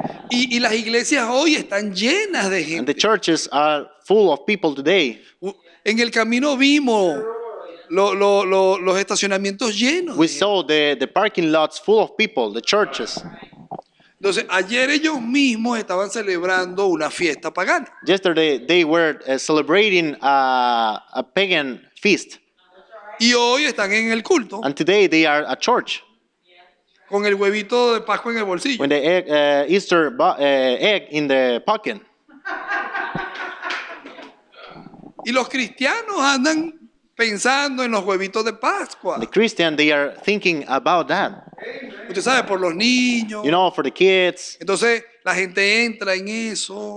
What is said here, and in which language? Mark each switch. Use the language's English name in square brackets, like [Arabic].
[Spanish] Y las iglesias hoy están llenas de gente. [English] And the churches are full of people today. [Spanish] En el camino vimos los estacionamientos llenos. [English] We saw the parking lots full of people, the churches. [Spanish] Entonces, ayer ellos mismos estaban celebrando una fiesta pagana. [English] Yesterday they were celebrating a pagan feast. [Spanish] Y hoy están en el culto. [English] And today they are at church. [Spanish] Con el huevito de Pascua en el bolsillo. [English] With the egg, Easter egg in the pocket. [Spanish] Y los cristianos andan pensando en los huevitos de Pascua. [English] The Christian, they are thinking about that. [Spanish] Usted sabe, por los niños. [English] You know, for the kids. [Spanish] Entonces, la gente entra en eso.